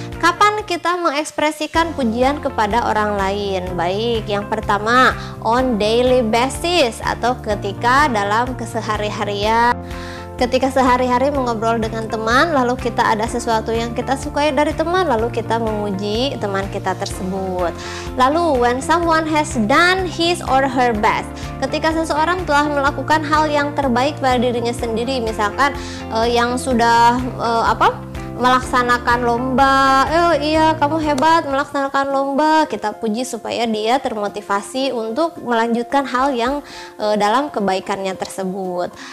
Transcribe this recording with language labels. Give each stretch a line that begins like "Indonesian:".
Indonesian: Kapan kita mengekspresikan pujian kepada orang lain? Baik, yang pertama,
English: on daily basis
Indonesian: atau ketika dalam keseharian. Ketika sehari-hari mengobrol dengan teman, lalu kita ada sesuatu yang kita sukai dari teman, lalu kita memuji teman kita tersebut. Lalu,
English: when someone has done his or her best.
Indonesian: Ketika seseorang telah melakukan hal yang terbaik pada dirinya sendiri, misalkan yang sudah melaksanakan lomba, kamu hebat melaksanakan lomba, kita puji supaya dia termotivasi untuk melanjutkan hal yang dalam kebaikannya tersebut.